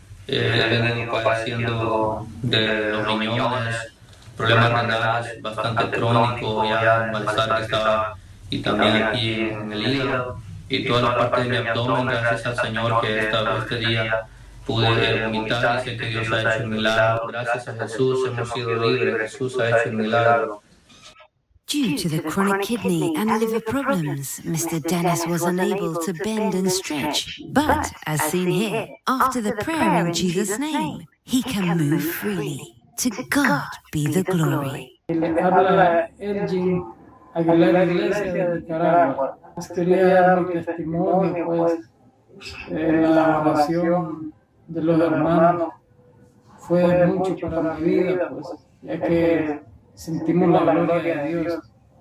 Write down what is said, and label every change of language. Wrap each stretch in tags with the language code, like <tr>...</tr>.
<es>Venimos padeciendo de los riñones, problemas renales bastante crónicos, ya el malestar que estaba, y también aquí en el hígado. Y toda la parte de mi abdomen, gracias al Señor que este día pude vomitar. Y sé que Dios ha hecho un milagro. Gracias a Jesús, hemos sido libres. Jesús ha hecho un milagro.</es> <en>Due to the chronic kidney and liver problems, Mr. Dennis was unable to bend and stretch. But, as seen here, after the prayer in Jesus' name, he can move freely. To God be the glory.</en> <es>Habla Elgin Aguilar Iglesia de Nicaragua. Quería dar mi testimonio, pues, la oración de los hermanos fue mucho para mi vida, pues, ya que sentimos la gloria de Dios.</es>